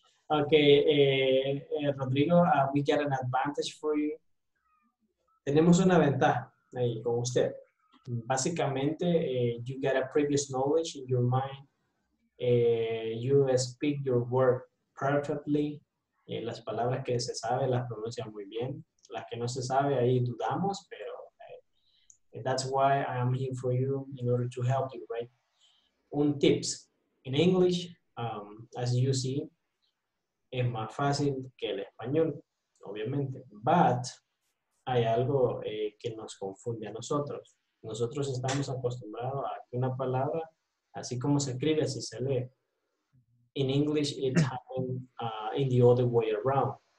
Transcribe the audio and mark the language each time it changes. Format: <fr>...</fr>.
<en>Okay, Rodrigo, we get an advantage for you.</en> <es>Tenemos una ventaja ahí con usted. Básicamente,</es> <en>you get a previous knowledge in your mind. You speak your word perfectly.</en> <es>Las palabras que se sabe las pronuncia muy bien. Las que no se sabe, ahí dudamos, pero</es> <en>that's why I'm here for you in order to help you, right?</en> <es>Un tips.</es> <en>In English, as you see,</en> <es>es más fácil que el español, obviamente.</es> <en>But</en> <es>hay algo que nos confunde a nosotros. Nosotros estamos acostumbrados a que una palabra, así como se escribe, así se lee.</es> <en>In English, it's happening in the other way around.</en>